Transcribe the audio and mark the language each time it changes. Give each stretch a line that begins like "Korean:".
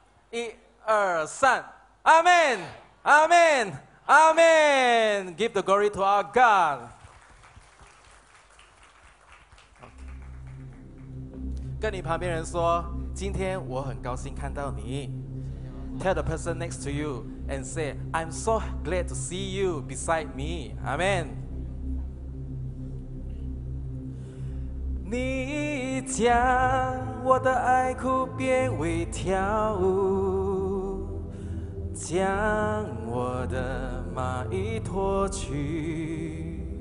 Chinese: 一二三，阿门，阿门，阿门。
English: Give the glory to our God。
Chinese: 跟你旁边人说，今天我很高兴看到你。
English: Tell the person next to you and say, I'm so glad to see you beside me. Amen.
Chinese: 你将我的爱哭变为跳舞，将我的麻衣脱去，